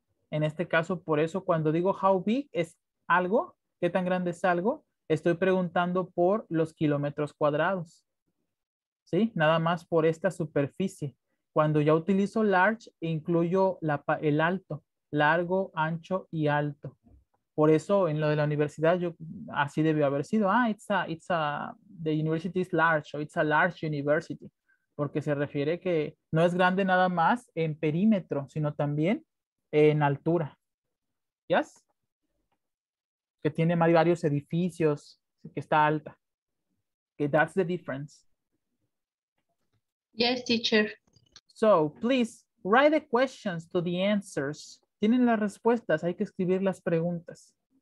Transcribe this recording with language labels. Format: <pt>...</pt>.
<es>En este caso, por eso cuando digo</es> <en>how big</en> <es>es algo, qué tan grande es algo, estoy preguntando por los kilómetros cuadrados. ¿Sí? Nada más por esta superficie. Cuando ya utilizo large, incluyo el alto, largo, ancho y alto. Por eso en lo de la universidad yo así debió haber sido.</es> <en>Ah, the university is large, o it's a large university.</en> <es>Porque se refiere que no es grande nada más en perímetro, sino también en altura. ¿Yes? Que tiene varios edificios, que está alta.</es> <en>Okay, that's the difference. Yes, teacher. So, please, write the questions to the answers.</en> <es>Tienen las respuestas, hay que escribir las preguntas.</es>